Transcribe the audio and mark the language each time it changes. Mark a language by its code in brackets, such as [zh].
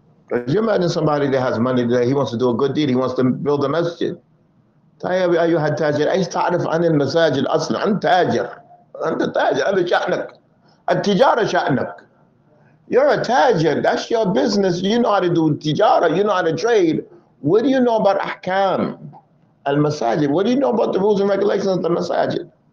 [en] Could you imagine somebody that has money today, he wants to do a good deed, he wants to build a masjid. [ar] طيب أيها التاجر، أيش تعرف عن المساجد أصلا؟ أنت تاجر، أنت تاجر، هذا شأنك، التجارة شأنك. [en] You're a tajir, that's your business, you know how to do تجارة, you know how to trade. What do you know about [ar] أحكام المساجد? [en] What do you know about the rules and regulations of the masajid?